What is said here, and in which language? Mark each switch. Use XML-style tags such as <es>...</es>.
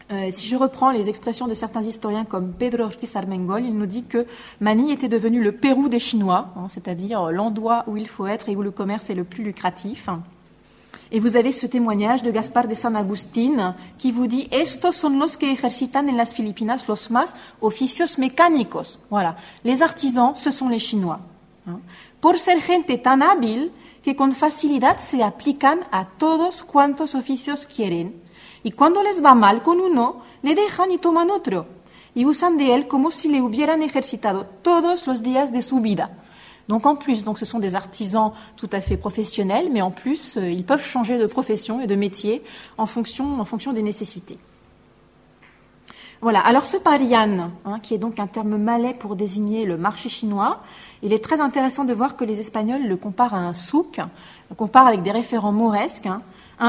<fr>Si je reprends les expressions de certains historiens comme Pedro Ortiz Armengol, il nous dit que Manille était devenu le Pérou des Chinois, hein, c'est-à-dire l'endroit où il faut être et où le commerce est le plus lucratif. Et vous avez ce témoignage de Gaspar de San Agustín qui vous dit «</fr> <es>Estos son los que ejercitan en las Filipinas los más oficios mecánicos ».</es> <fr>Voilà, les artisans, ce sont les Chinois. Hein.</fr> <es>« Por ser gente tan hábil que con facilidad se aplican a todos cuantos oficios quieren. Y cuando les va mal con uno, le dejan y toman otro. Y usan de él como si le hubieran ejercitado todos los días de su vida.</es> <fr>» Donc en plus, donc ce sont des artisans tout à fait professionnels, mais en plus, ils peuvent changer de profession et de métier en fonction des nécessités. Voilà, alors ce parian, hein, qui est donc un terme malais pour désigner le marché chinois, il est très intéressant de voir que les Espagnols le comparent à un souk, le comparent avec des référents mauresques. Hein.</fr>